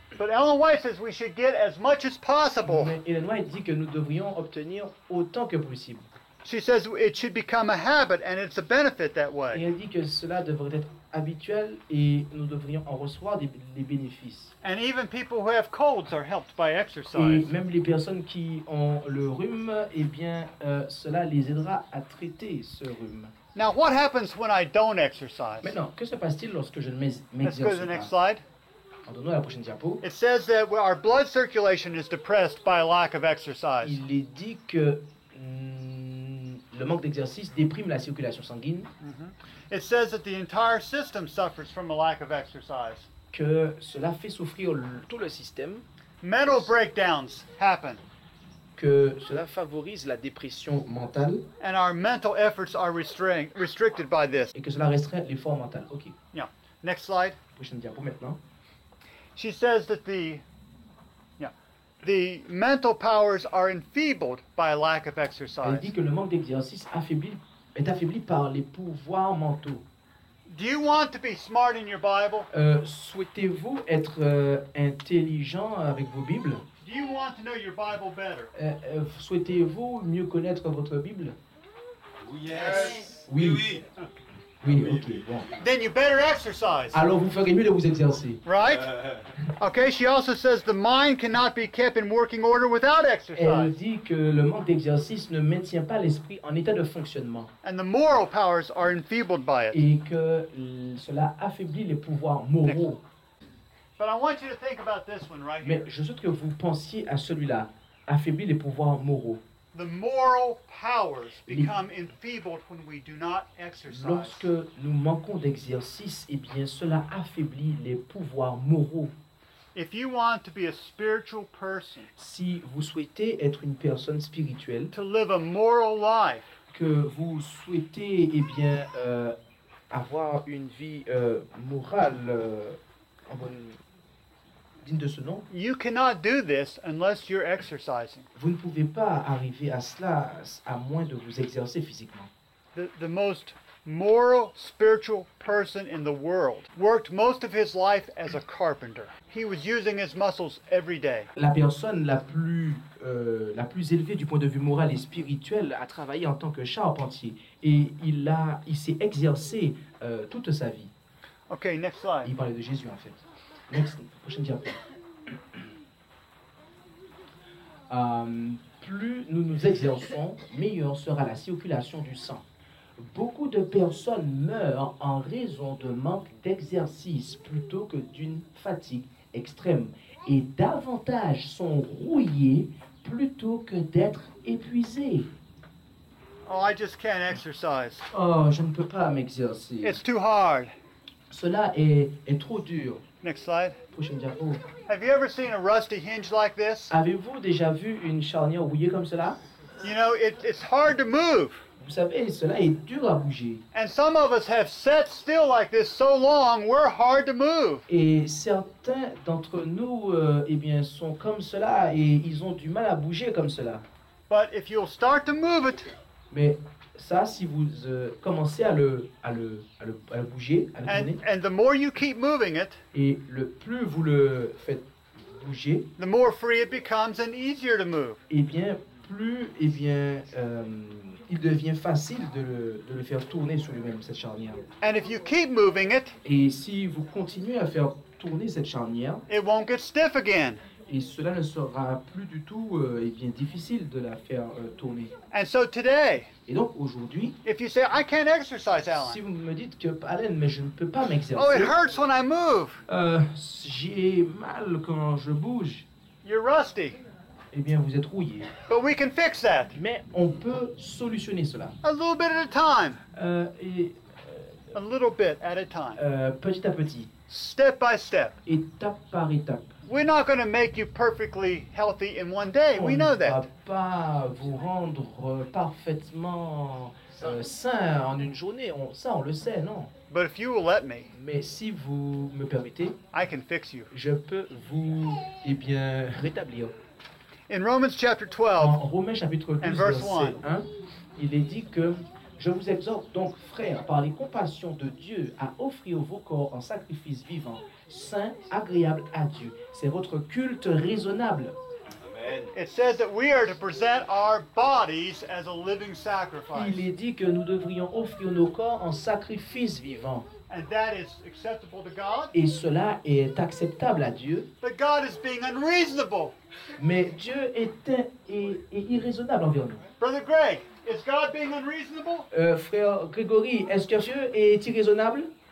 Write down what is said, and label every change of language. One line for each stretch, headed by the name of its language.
English: But Ellen White says we should get as much as possible.
French: Mais Ellen White dit que nous devrions obtenir autant que possible.
English: She says it should become a habit and it's a benefit that way.
French: Et elle dit que cela devrait être habituel et nous devrions en recevoir des bénéfices.
English: And even people who have colds are helped by exercise.
French: Et même les personnes qui ont le rhume, eh bien, cela les aidera à traiter ce rhume.
English: Now, what happens when I don't exercise?
French: Maintenant, que se passe-t-il lorsque je ne m'exerce pas?
English: Let's go to the next slide.
French: Rendons-nous à la prochaine diapo.
English: It says that our blood circulation is depressed by lack of exercise.
French: Il est dit que le manque d'exercice déprime la circulation sanguine. Mm-hmm.
English: It says that the entire system suffers from a lack of exercise.
French: Que cela fait souffrir tout le système.
English: Mental breakdowns happen.
French: Que cela favorise la dépression mentale.
English: And our mental efforts are restricted by this.
French: Et que cela restreint l'effort mental. OK.
English: Yeah. Next slide.
French: Prochaine diapo maintenant.
English: She says that the mental powers are enfeebled by a lack of exercise.
French: Elle dit que le manque d'exercice est affaibli par les pouvoirs mentaux.
English: Do you want to be smart in your Bible?
French: Souhaitez-vous être intelligent avec vos Bibles?
English: Do you want to know your Bible better?
French: Souhaitez-vous mieux connaître votre Bible?
English: Yes.
French: Oui, okay, bon.
English: Then you better exercise.
French: Alors vous ferez mieux de vous exercer.
English: Right? Okay, she also says the mind cannot be kept in working order without exercise.
French: Elle dit que le manque d'exercice ne maintient pas l'esprit en état de fonctionnement.
English: And the moral powers are enfeebled by it.
French: Et que cela affaiblit les pouvoirs moraux.
English: But I want you to think about this one right here.
French: Mais je souhaite que vous pensiez à celui-là, affaiblit les pouvoirs moraux.
English: The moral powers become enfeebled when we do not exercise.
French: Lorsque nous manquons d'exercice, eh bien, cela affaiblit les pouvoirs moraux.
English: If you want to be a spiritual person,
French: si vous souhaitez être une personne spirituelle,
English: to live a moral life,
French: que vous souhaitez, eh bien, avoir une vie morale en bonne digne de ce nom.
English: You cannot do this unless you're exercising.
French: Vous ne pouvez pas arriver à cela à moins de vous exercer physiquement.
English: The most moral, spiritual person in the world, worked most of his life as a carpenter. He was using his muscles every day.
French: La personne la plus élevée du point de vue moral et spirituel a travaillé en tant que charpentier et il s'est exercé toute sa vie.
English: Okay, next slide.
French: Il parlait de Jésus en fait.
English: Next,
French: prochaine diapo. Plus nous nous exerçons, meilleure sera la circulation du sang. Beaucoup de personnes meurent en raison de manque d'exercice plutôt que d'une fatigue extrême. Et davantage sont rouillées plutôt que d'être épuisées.
English: Oh, I just can't exercise.
French: Oh, je ne peux pas m'exercer.
English: It's too hard.
French: Cela est trop dur.
English: Next slide.
French: Prochaine diapo.
English: Have you ever seen a rusty hinge like this?
French: Avez-vous déjà vu une charnière rouillée comme cela?
English: You know, it's hard to move.
French: Vous savez, cela est dur à bouger.
English: And some of us have sat still like this so long, we're hard to move.
French: Et certains d'entre nous, sont comme cela et ils ont du mal à bouger comme cela.
English: But if you'll start to move it.
French: Mais ça, si vous commencez à le bouger, à le tourner.
English: And the more you keep moving it.
French: Et le plus vous le faites bouger.
English: The more free it becomes and easier to move.
French: Il devient facile de le faire tourner sur lui-même cette charnière.
English: And if you keep moving it.
French: Et si vous continuez à faire tourner cette charnière.
English: It won't get stiff again.
French: Et cela ne sera plus du tout difficile de la faire tourner.
English: And so today.
French: Et donc aujourd'hui.
English: If you say I can't exercise, Alan.
French: Si vous me dites que Alan, mais je ne peux pas m'exercer.
English: Oh, it hurts when I move.
French: J'ai mal quand je bouge.
English: You're rusty.
French: Eh bien, vous êtes rouillé.
English: But we can fix that.
French: Mais on peut solutionner cela.
English: A little bit at a time. A little bit at a time.
French: Petit à petit.
English: Step by step.
French: Étape par étape.
English: We're not going to make you perfectly healthy in one day. We know that.
French: On ne va pas vous rendre parfaitement sain en une journée. Ça, on le sait, non?
English: But if you will let me.
French: Mais si vous me permettez.
English: I can fix you.
French: Je peux vous rétablir.
English: In Romans chapter 12.
French: En Romains chapitre 12
English: and verse 1.
French: Il est dit que je vous exhorte donc, frères, par les compassions de Dieu, à offrir vos corps en sacrifice vivant, saint, agréable à Dieu. C'est votre culte raisonnable.
English: It says that we are to present our bodies as a living sacrifice.
French: Il est dit que nous devrions offrir nos corps en sacrifice vivant.
English: And that is acceptable to God.
French: Et cela est acceptable à Dieu.
English: But God is being unreasonable.
French: Mais Dieu est irraisonnable envers nous.
English: Brother Greg, is God being unreasonable?
French: Frère Grégory, est-ce que Dieu est irraisonnable?